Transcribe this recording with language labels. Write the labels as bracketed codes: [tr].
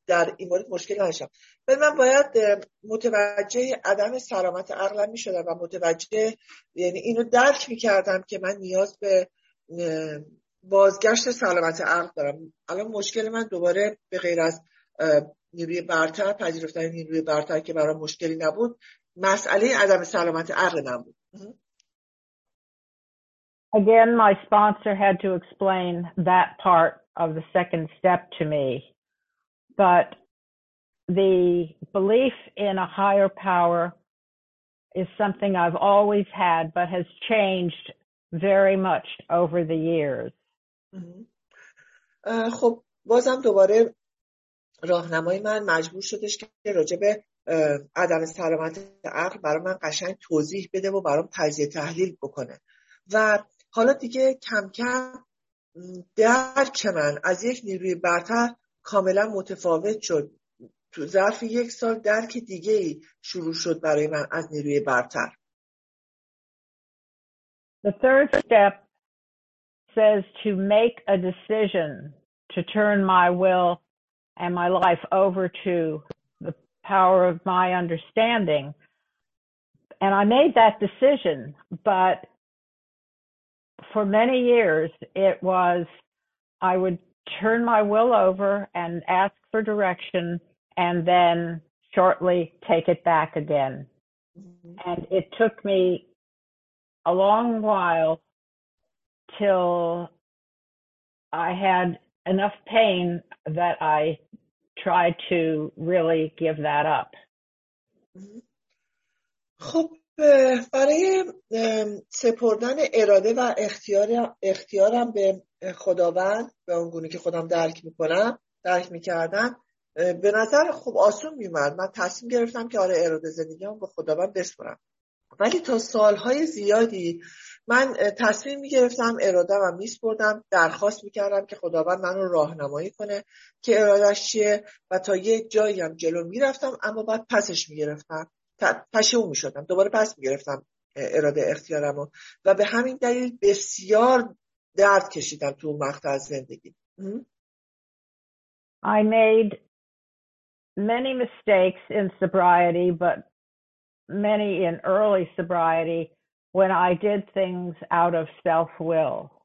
[fa] در این مورد مشکلی نداشتم، ولی من باید متوجه عدم سلامت عقلم می‌شدم و متوجه یعنی اینو درک می‌کردم که من نیاز به بازگشت سلامت عقل دارم. الان مشکل من دوباره به غیر از نیروی برتر، پذیرفتن نیروی برتر که برای مشکلی نبود، مسئله عدم سلامت عقل نبود. [en] Again, my sponsor had to explain that part of the second step to me. But the belief in a higher power is something I've always had, but has changed very much over the years. [fa] خب بازم دوباره راهنمای من مجبور شدش که راجع به عدم سلامت عقل برای من قشنگ توضیح بده و برام تجزیه تحلیل بکنه. و حالا دیگه کم کم درک من از یک نیروی برتر کاملا متفاوت شد. تو ظرف یک سال درک دیگه ای شروع شد برای من از نیروی برتر. [en] The third step says to make a decision to turn my will and my life over to the power of my understanding. And I made that decision, but for many years it was, I would turn my will over and ask for direction and then shortly take it back again. Mm-hmm. And it took me a long while till I had enough pain that I tried to really give that up. [fa] خب برای سپردن اراده و اختیارم به خداوند به اون گونه که خودم درک می‌کردم به نظر خوب آسون می اومد. من تصمیم گرفتم که آره اراده زندگیم به خداوند بسپرم. ولی تا سالهای زیادی من تصمیم میگرفتم اراده و میسپردم، درخواست میکردم که خداوند منو راهنمایی کنه که ارادش چیه و تا یه جایی هم جلو میرفتم، اما بعد پسش میگرفتم، پشیمون میشدم، دوباره پس میگرفتم اراده اختیارمو و به همین دلیل بسیار درد کشیدم تو مقطع زندگی. [en] I made many mistakes in sobriety but many in early sobriety when I did things out of self-will.